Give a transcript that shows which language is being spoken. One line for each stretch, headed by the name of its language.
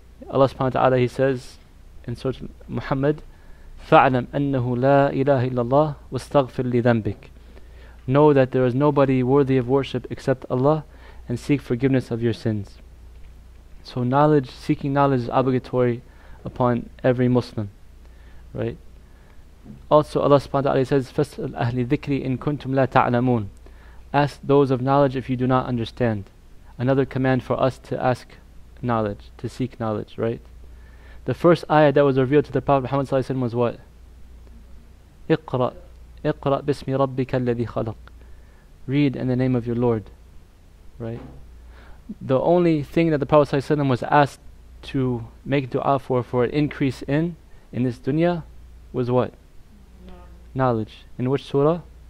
English: Allah subhanahu wa ta'ala, he says in Surah Muhammad,
Arabic: فَعْلَمْ أَنَّهُ لَا إِلَهِ إِلَّا اللَّهِ وَاسْتَغْفِرْ لِذَنْبِكَ.
English: Know that there is nobody worthy of worship except Allah, and seek forgiveness of your sins. So knowledge, seeking knowledge is obligatory upon every Muslim, right? Also Allah subhanahu wa ta'ala says,
Arabic: فَاسْأَلْ أَهْلِ ذِكْرِ إِن كُنْتُمْ لَا تَعْلَمُونَ.
English: Ask those of knowledge if you do not understand. Another command for us to ask knowledge, to seek knowledge, right? The first ayah that was revealed to the Prophet Muhammad sallallahu alaihi wasallam was what?
Arabic: اقرأ بسم ربك الذي خلق.
English: Read in the name of your Lord, right? The only thing that the Prophet sallallahu alaihi wasallam was asked to make dua for an increase in this dunya, was what? Knowledge. In which surah?